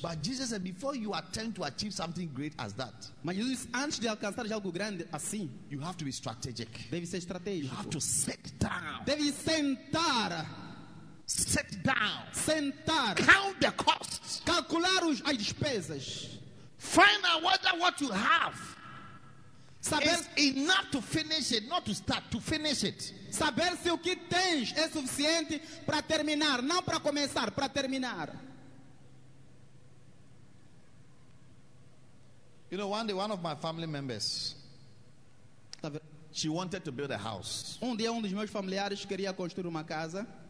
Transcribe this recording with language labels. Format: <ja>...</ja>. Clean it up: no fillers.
<en>But Jesus said, before you attempt to achieve something great as that,</en> <pt>mas Jesus, antes de alcançar algo grande assim,</pt> <en>you have to be strategic.</en> <pt>Deve ser estratégico.</pt> <en>You have to sit down.</en> <pt>Deve sentar.</pt> <en>Sit down.</en> <pt>Sentar.</pt> <en>Count the costs.</en> <pt>Calcular as despesas.</pt> <en>Find out whether what you have is enough to finish it, not to start, to finish it.</en> <pt>Saber se o que tens é suficiente para terminar, não para começar, para terminar.</pt> <en>You know, one day one of my family members, she wanted to build a house.</en> <pt>Um dia um dos meus familiares queria construir uma casa.</pt>